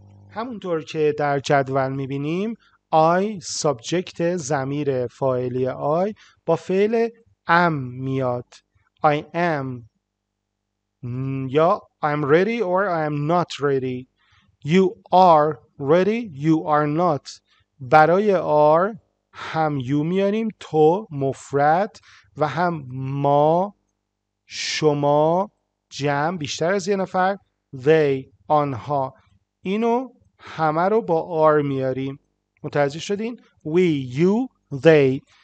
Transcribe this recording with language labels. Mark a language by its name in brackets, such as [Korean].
[Persian] همونطور که در جدول میبینیم I سابجکت ضمیر فاعلی I با فعل am میاد. [English] I am یا I'm ready or I'm not ready. You are ready, you are not. [Persian] برای are هم you میاریم، تو مفرد، و هم ما، شما، جمع بیشتر از یه نفر، they، آنها. اینو همه رو با آر میاریم. متوجه شدین؟ [English] We, you, they.